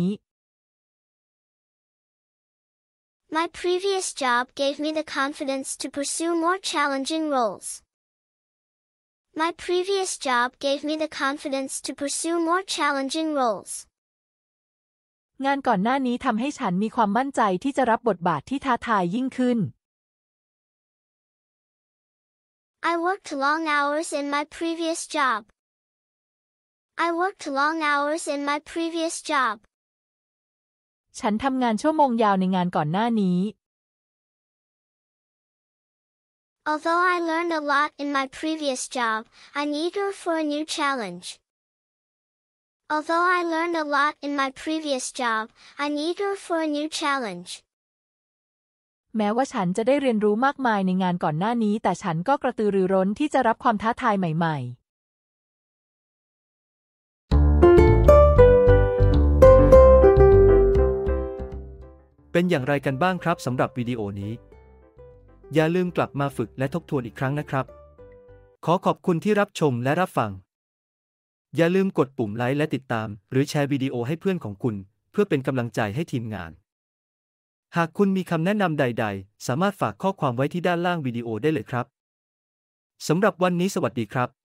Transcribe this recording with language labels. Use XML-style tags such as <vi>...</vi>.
<en>My previous job gave me the confidence to pursue more challenging roles. My previous job gave me the confidence to pursue more challenging roles.</en> <th>งานก่อนหน้านี้ทำให้ฉันมีความมั่นใจที่จะรับบทบาทที่ท้าทายยิ่งขึ้น</th> <en>I worked long hours in my previous job. I worked long hours in my previous job.</en> <th>ฉันทำงานชั่วโมงยาวในงานก่อนหน้านี้</th> <en>Although I learned a lot in my previous job, I'm eager for a new challenge. Although I learned a lot in my previous job, I'm eager for a new challenge.</en> <th>แม้ว่าฉันจะได้เรียนรู้มากมายในงานก่อนหน้านี้แต่ฉันก็กระตือรือร้นที่จะรับความท้าทายใหม่ๆเป็นอย่างไรกันบ้างครับสำหรับวิดีโอนี้อย่าลืมกลับมาฝึกและทบทวนอีกครั้งนะครับขอขอบคุณที่รับชมและรับฟังอย่าลืมกดปุ่มไลค์และติดตามหรือแชร์วิดีโอให้เพื่อนของคุณเพื่อเป็นกำลังใจให้ทีมงานหากคุณมีคำแนะนำใดๆสามารถฝากข้อความไว้ที่ด้านล่างวิดีโอได้เลยครับสำหรับวันนี้สวัสดีครับ</th>